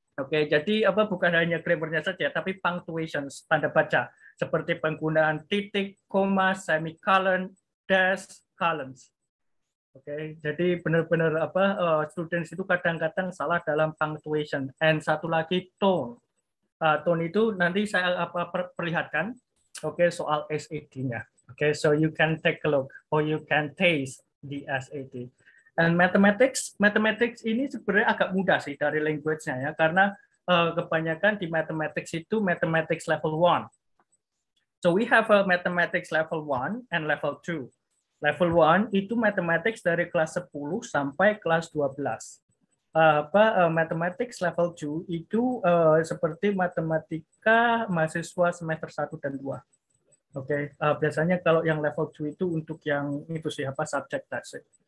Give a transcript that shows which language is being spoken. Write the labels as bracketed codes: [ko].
[id] Jadi apa bukan hanya grammarnya saja, tapi punctuation, tanda baca, seperti penggunaan titik, koma, semicolon, dash, colons. Jadi benar-benar apa students itu kadang-kadang salah dalam punctuation. And satu lagi tone. Tone itu nanti saya perlihatkan. Soal SAT-nya. [en] So you can take a look or you can taste the SAT. [id] And mathematics, mathematics ini sebenarnya agak mudah sih dari language-nya ya, karena kebanyakan di mathematics itu mathematics level 1. [en] So we have a mathematics level 1 and level 2. [id] Level 1 itu mathematics dari kelas 10 sampai kelas 12. Mathematics level 2 itu seperti matematika mahasiswa semester 1 dan 2. Biasanya kalau yang level 2 itu untuk yang itu siapa subject test.